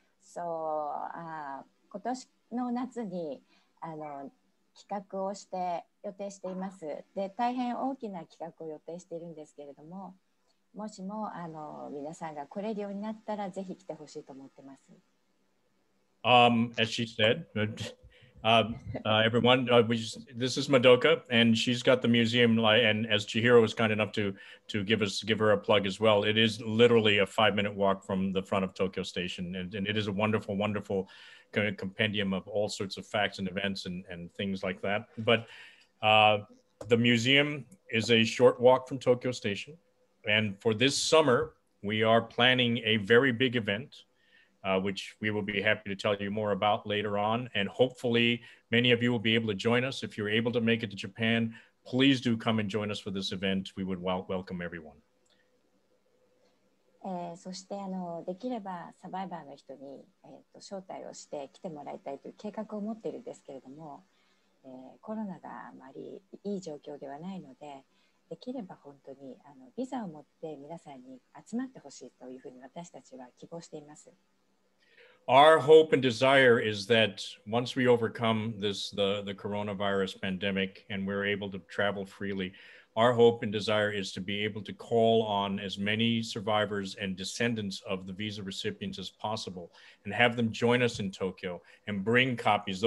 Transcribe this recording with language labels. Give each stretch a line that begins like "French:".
Japanese: So, 今年の夏に企画をして予定しています。で、大変大きな企画を予定しているんですけれども、もしも皆さんが来れるようになったら、ぜひ来てほしいと思ってます。
English: As she said, everyone, this is Madoka, and she's got the museum. And as Chihiro was kind enough to give her a plug as well, it is literally a 5-minute walk from the front of Tokyo Station, and it is a wonderful, wonderful compendium of all sorts of facts and events and things like that. But the museum is a short walk from Tokyo Station, and for this summer, we are planning a very big event. Which we will be happy to tell you more about later on. And hopefully many of you will be able to join us. If you're able to make it to Japan, please do come and join us for this event. We would welcome everyone.
Japanese: そしてできればサバイバーの人に招待をして来てもらいたいという計画を持っているんですけれども、コロナがあまりいい状況ではないので、できれば本当にビザを持って皆さんに集まってほしいというふうに私たちは希望しています。
English: Our hope and desire is that once we overcome this, the coronavirus pandemic, and we're able to travel freely, our hope and desire is to be able to call on as many survivors and descendants of the visa recipients as possible and have them join us in Tokyo and bring copies.